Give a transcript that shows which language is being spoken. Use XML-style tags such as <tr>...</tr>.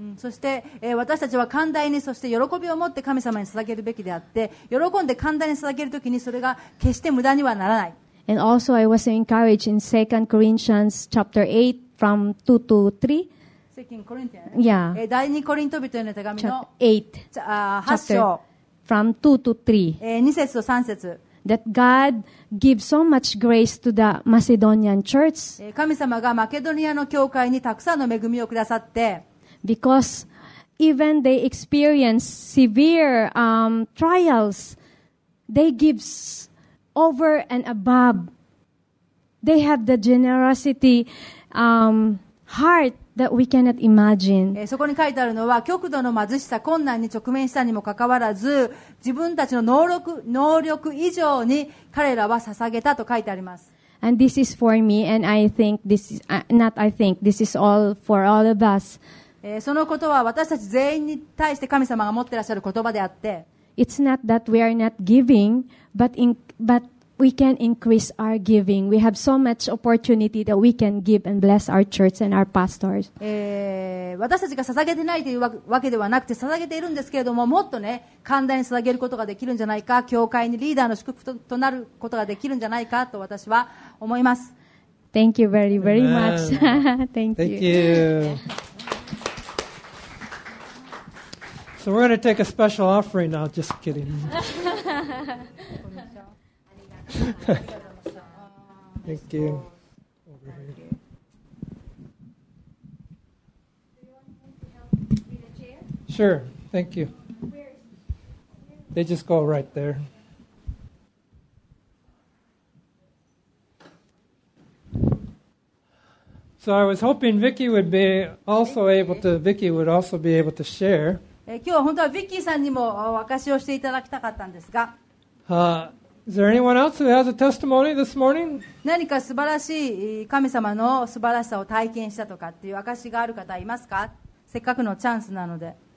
<ja>そして、私たちは寛大に、そして喜びを持って神様に捧げるべきであって、喜んで寛大に捧げるときにそれが決して無駄にはならない。</ja> <en>And also, I was encouraged in 2 Corinthians chapter 8, from 2 to 3.</en> <ja>第2コリント人への手紙の 8章</ja> <en>from 2 to 3.</en> <ja>2節と3節。</ja> <en>That God gives so much grace to the Macedonian church.</en> <ja>神様がマケドニアの教会にたくさんの恵みをくださって。</ja> <en>Because even they experience severe trials, they give over and above. They have the generosity heart that we cannot imagine.</en> <ja>そこに書いてあるのは、極度の貧しさ、困難に直面したにもかかわらず、自分たちの能力以上に彼らは捧げたと書いてあります。</ja> <en>And this is for me, and I think this is not. I think this is all for all of us.</en> <ja>そのことは私たち全員に対して神様が持ってらっしゃる言葉であって、</ja> <en>It's not that we are not giving, but we can increase our giving. We have so much opportunity that we can give and bless our church and our pastors.</en> <ja>私たちが捧げてないというわけではなくて、捧げているんですけれども、もっとね、寛大に捧げることができるんじゃないか、教会にリーダーの祝福となることができるんじゃないかと私は思います。</ja> <en>Thank you very, very much. Thank you. Thank you. So we're going to take a special offering now. Just kidding. Thank you. Sure. Thank you. They just go right there. So I was hoping Vicky would be also able to. Vicky would also be able to share.</en> <ja>今日は本当はビッキーさんにも証しをしていただきたかったんですが、</ja> <en>is there anyone else who has a testimony this morning?</en> <ja>何か素晴らしい神様の素晴らしさを体験したとかっていう証しがある方いますか？せっかくのチャンスなので。</ja>